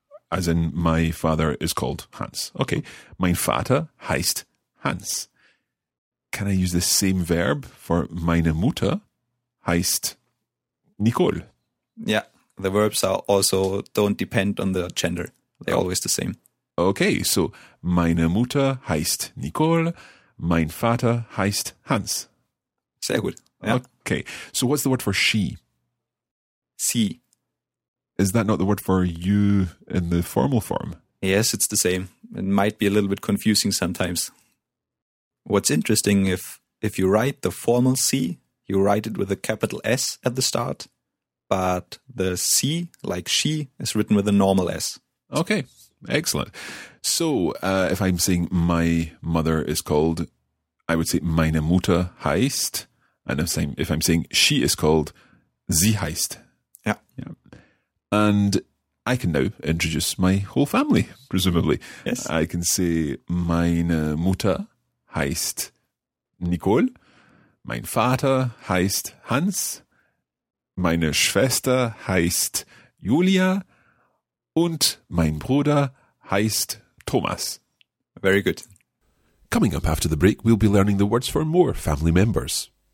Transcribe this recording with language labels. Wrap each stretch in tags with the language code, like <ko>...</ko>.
<en>As in my father is called Hans. Okay.</en> <de>Mein Vater heißt Hans.</de> <en>Can I use the same verb for</en> <de>meine Mutter heißt Nicole?</de> <en>Yeah. The verbs are also don't depend on the gender. They're always the same. Okay, so</en> <de>meine Mutter heißt Nicole, mein Vater heißt Hans. Sehr gut.</de> <en>Yeah. Okay, so what's the word for she?</en> <de>Sie.</de> <en>Is that not the word for you in the formal form? Yes, it's the same. It might be a little bit confusing sometimes. What's interesting, if you write the formal sie, you write it with a capital S at the start, but the sie, like she, is written with a normal S. Okay, excellent. So, if I'm saying my mother is called, I would say</en> <de>meine Mutter heißt.</de> <en>And if I'm saying she is called,</en> <de>sie heißt.</de> <en>Yeah. Yeah. And I can now introduce my whole family, presumably. Yes. I can say</en> <de>meine Mutter heißt Nicole. Mein Vater heißt Hans. Meine Schwester heißt Julia. Und mein Bruder heißt Thomas.</de> <en>Very good. Coming up after the break, we'll be learning the words for more family members.</en>